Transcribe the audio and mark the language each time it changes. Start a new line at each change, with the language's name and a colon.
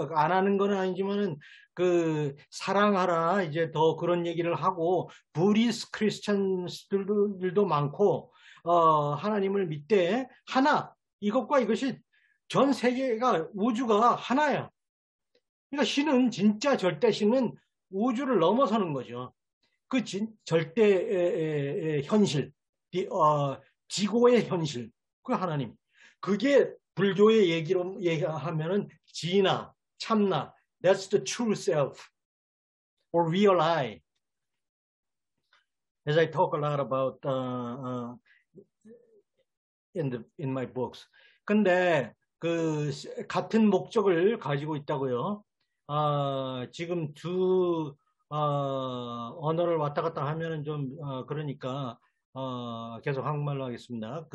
Korean: 안 하는 건 아니지만은 그 사랑하라 이제 더 그런 얘기를 하고 부디스트 크리스천들도 많고 하나님을 믿되 하나 이것과 이것이 전 세계가 우주가 하나야. 그러니까 신은 진짜 절대 신은 우주를 넘어서는 거죠. 그 절대의 현실, 지고의 현실, 그 하나님. 그게 불교의 얘기로 얘기하면은 진아, 참나,
English: that's the true self, or real I. As I talk a lot about in my books.
Korean: 근데 그 같은 목적을 가지고 있다고요. 지금 두 언어를 왔다 갔다 하면은 좀 그러니까 계속 한국말로 하겠습니다.